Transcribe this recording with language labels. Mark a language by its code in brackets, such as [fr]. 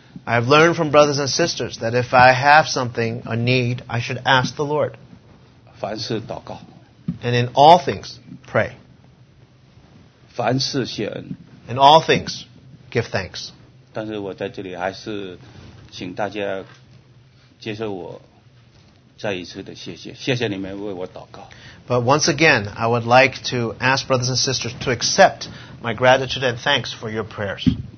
[en] I've learned from brothers and sisters that if I have something, a need, I should ask the Lord. [zh] 凡事祷告。 [en] And in all things, pray. [zh] 凡事谢恩。 [en] In all things, give thanks. [zh] 但是我在这里还是请大家接受我再一次的谢谢，谢谢你们为我祷告。 [en] But once again, I would like to ask brothers and sisters to accept my gratitude and thanks for your prayers.